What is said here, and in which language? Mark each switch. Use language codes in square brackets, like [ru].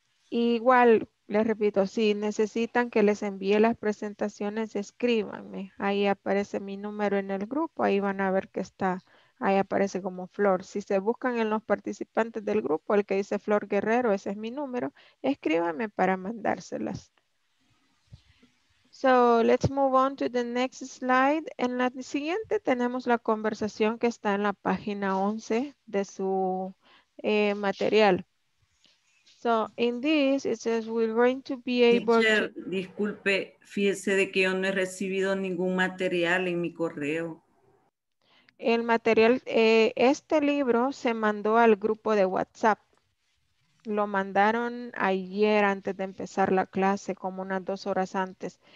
[es] Igual, les repito, si necesitan que les envíe las presentaciones, escríbanme. Ahí aparece mi número en el grupo, ahí van a ver que está, ahí aparece como Flor. Si se buscan en los participantes del grupo, el que dice Flor Guerrero, ese es mi número, escríbanme para mandárselas. [en] So, let's move on to the next slide. [es] En la siguiente tenemos la conversación que está en la página 11 de su material. [en] So, in this, it says we're going to be able teacher, to... [es] disculpe, fíjese de que yo no he recibido ningún material en mi correo. El material, este libro se mandó al grupo de WhatsApp. Lo mandaron ayer antes de empezar la clase, como unas 2 horas antes.